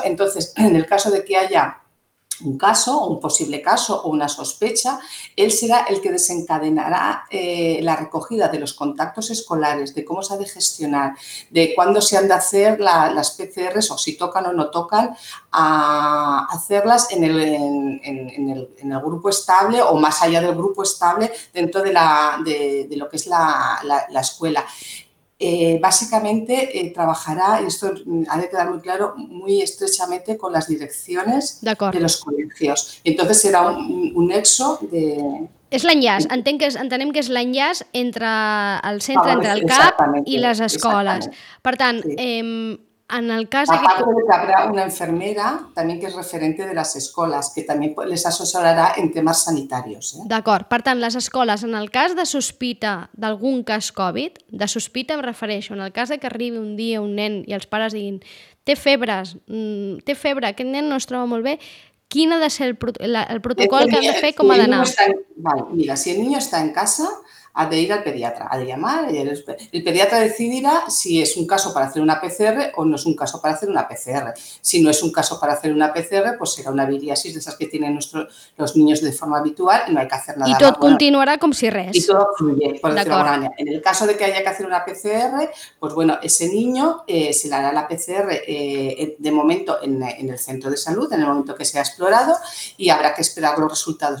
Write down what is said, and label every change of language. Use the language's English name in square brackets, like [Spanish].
[Spanish] Entonces, en el caso de que haya un caso, un posible caso o una sospecha, él será el que desencadenará la recogida de los contactos escolares, de cómo se ha de gestionar, de cuándo se han de hacer las PCRs o si tocan o no tocan, a hacerlas en el grupo estable o más allá del grupo estable dentro de lo que es la escuela. Básicamente trabajará, y esto ha de quedar muy claro, muy estrechamente con las direcciones de los colegios. Entonces será un nexo de... [Catalan] És l'enllaç, entenem que és l'enllaç entre el centre, entre el CAP i les escoles. Exactament. Per tant, sí. En el cas... A part que [Spanish] habrá [Catalan] una enfermera també que és [Spanish] referente [Catalan] de les escoles, que també les assessorarà en temes [Spanish] sanitarios. [Catalan] D'acord. Per tant, les escoles, en el cas de sospita d'algun cas Covid, de sospita em refereixo, en el cas que arribi un dia un nen i els pares diguin té febre, aquest nen no es troba molt bé, quin ha de ser el protocol que han de fer, com ha d'anar? [Spanish] Mira, si el niño està en casa, ha de ir al pediatra, ha de llamar, el pediatra decidirá si es un caso para hacer una PCR o no es un caso para hacer una PCR. Si no es un caso para hacer una PCR, pues será una viriasis de esas que tienen los niños de forma habitual y no hay que hacer nada. Y todo continuará como si [Catalan] res. [Spanish] Y todo fluye, por decirlo de alguna manera. En el caso de que haya que hacer una PCR, pues bueno, ese niño se le hará la PCR de momento en el centro de salud, en el momento que sea explorado, y habrá que esperar los resultados.